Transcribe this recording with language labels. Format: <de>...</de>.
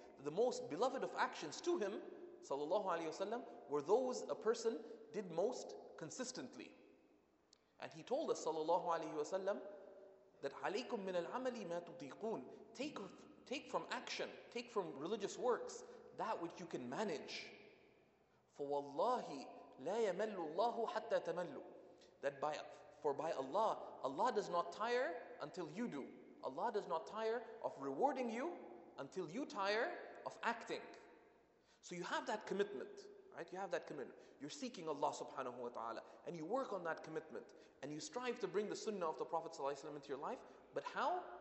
<en>The most beloved of actions to him sallallahu alayhi wa sallam were those a person did most consistently. And he told us sallallahu alayhi wa sallam that</en> <ar>عليكم من العمل ما تطيقون.</ar> <en>Take from action, take from religious works that which you can manage.</en> <ar>فوالله لا يمل الله حتى تمل.</ar> <en>That by For by Allah, Allah does not tire until you do. Allah does not tire of rewarding you until you tire of acting. So you have that commitment, right? You have that commitment. You're seeking Allah subhanahu wa ta'ala. And you work on that commitment. And you strive to bring the sunnah of the Prophet sallallahu alayhi wa sallam into your life. But how?</en>